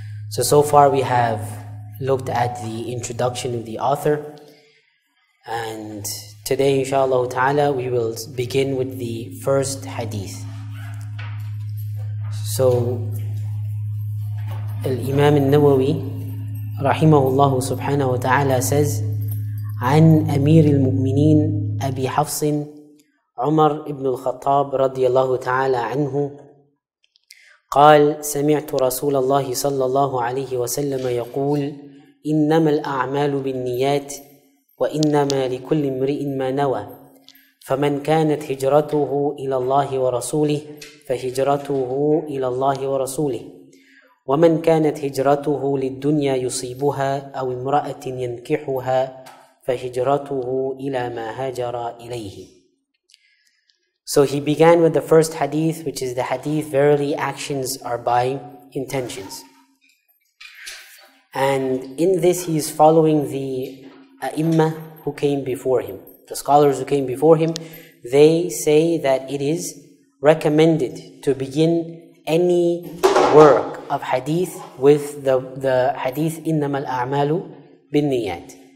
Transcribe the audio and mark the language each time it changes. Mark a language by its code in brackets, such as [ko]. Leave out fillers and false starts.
[en] So far we have looked at the introduction of the author, and today inshallah ta'ala we will begin with the first hadith. [ar] So الإمام النووي رحمه الله سبحانه وتعالى says عن أمير المؤمنين أبي حفص عمر بن الخطاب رضي الله تعالى عنه قال سمعت رسول الله صلى الله عليه وسلم يقول إنما الأعمال بالنيات وإنما لكل امرئ ما نوى فمن كانت هجرته إلى الله ورسوله فهجرته إلى الله ورسوله ومن كانت هجرته للدنيا يصيبها أو امرأة ينكحها فَهِجْرَتُهُ إِلَى مَا هَاجَرَ إِلَيْهِ. [en] So he began with the first hadith, which is the hadith, verily actions are by intentions. And in this he is following the a'immah who came before him. The scholars who came before him, they say that it is recommended to begin any work of hadith with the hadith [ar] إِنَّمَا الْأَعْمَالُ بِالنِّيَّاتِ.